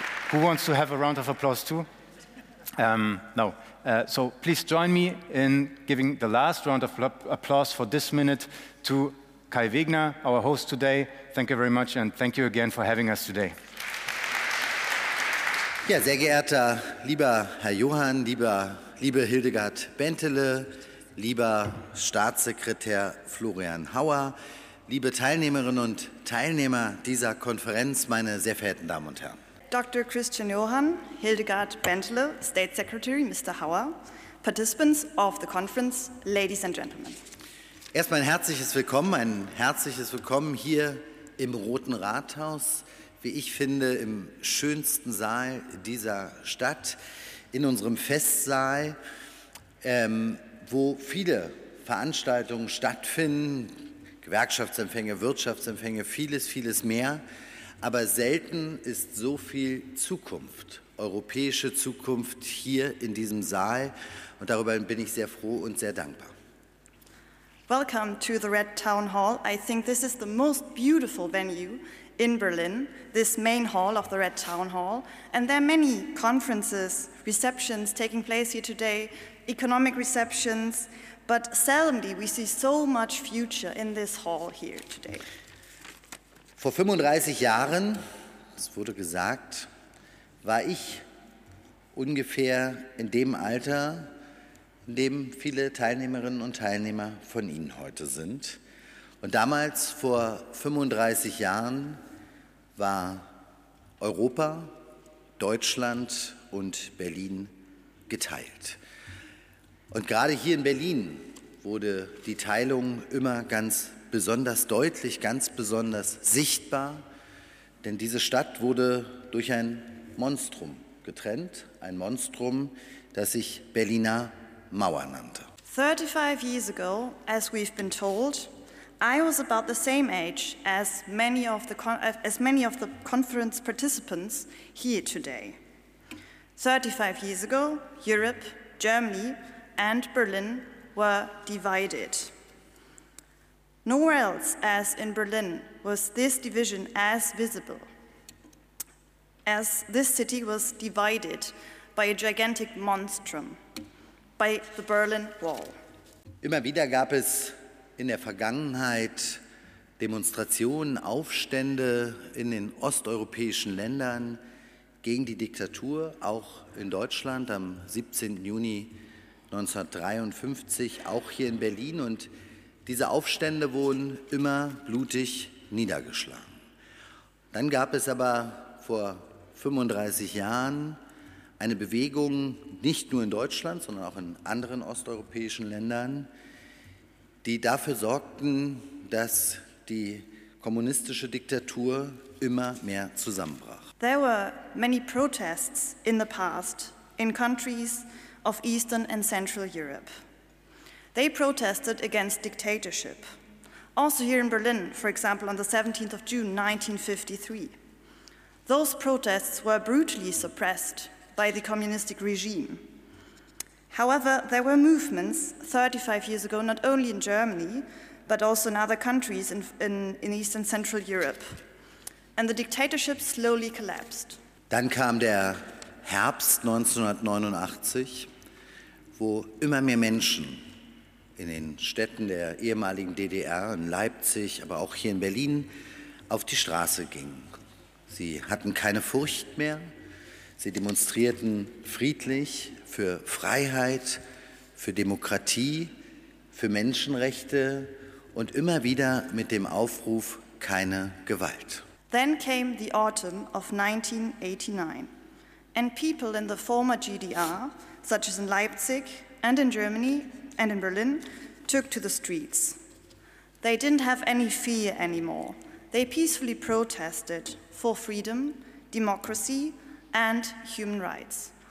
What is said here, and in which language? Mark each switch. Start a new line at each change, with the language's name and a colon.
English: Who wants to have a round of applause too? No. So please join me in giving the last round of applause for this minute to Kai Wegner, our host today. Thank you very much, and thank you again for having us today.
German: Ja, sehr geehrter, lieber Herr Johann, liebe Hildegard Bentele, lieber Staatssekretär Florian Hauer, liebe Teilnehmerinnen und Teilnehmer dieser Konferenz, meine sehr verehrten Damen und Herren.
English: Dr. Christian Johann, Hildegard Bentele, State Secretary, Mr. Hauer, participants of the conference, ladies and gentlemen.
German: Erstmal ein herzliches Willkommen hier im Roten Rathaus, wie ich finde, im schönsten Saal dieser Stadt, in unserem Festsaal, wo viele Veranstaltungen stattfinden, Gewerkschaftsempfänge, Wirtschaftsempfänge, vieles, vieles mehr. Aber selten ist so viel Zukunft, europäische Zukunft hier in diesem Saal. Und darüber bin ich sehr froh und sehr dankbar.
English: Welcome to the Red Town Hall. I think this is the most beautiful venue in Berlin, this main hall of the Red Town Hall. And there are many conferences, receptions taking place here today, economic receptions, but seldomly we see so much future in this hall here today.
German: Vor 35 Jahren, es wurde gesagt, war ich ungefähr in dem Alter, in dem viele Teilnehmerinnen und Teilnehmer von Ihnen heute sind. Und damals, vor 35 Jahren, war Europa, Deutschland und Berlin geteilt. Und gerade hier in Berlin wurde die Teilung immer ganz besonders deutlich, ganz besonders sichtbar, denn diese Stadt wurde durch ein Monstrum getrennt, ein Monstrum, das sich Berliner Mauer nannte.
English: 35 years ago, as we've been told, I was about the same age as many of the conference participants here today. 35 years ago, Europe, Germany and Berlin were divided. Nowhere else as in Berlin was this division as visible, as this city was divided by a gigantic monstrum, by the Berlin Wall.
German: Immer wieder gab es in der Vergangenheit Demonstrationen, Aufstände in den osteuropäischen Ländern gegen die Diktatur, auch in Deutschland am 17. Juni 1953, auch hier in Berlin. Und diese Aufstände wurden immer blutig niedergeschlagen. Dann gab es aber vor 35 Jahren eine Bewegung, nicht nur in Deutschland, sondern auch in anderen osteuropäischen Ländern, die dafür sorgten, dass die kommunistische Diktatur immer mehr zusammenbrach.
English: There were many protests in the past in countries of Eastern and Central Europe. They protested against dictatorship. Also here in Berlin, for example, on the 17th of June 1953. Those protests were brutally suppressed by the communistic regime. However, there were movements 35 years ago, not only in Germany, but also in other countries in Eastern Central Europe. And the dictatorship slowly collapsed.
German: Dann kam der Herbst 1989, wo immer mehr Menschen in den Städten der ehemaligen DDR, in Leipzig, aber auch hier in Berlin, auf die Straße gingen. Sie hatten keine Furcht mehr. Sie demonstrierten friedlich für Freiheit, für Demokratie, für Menschenrechte und immer wieder mit dem Aufruf, keine Gewalt.
English: Then came the autumn of 1989, and people in the former GDR, such as in Leipzig and in Germany and in Berlin, took to the streets. They didn't have any fear anymore. They peacefully protested for freedom, democracy and human rights.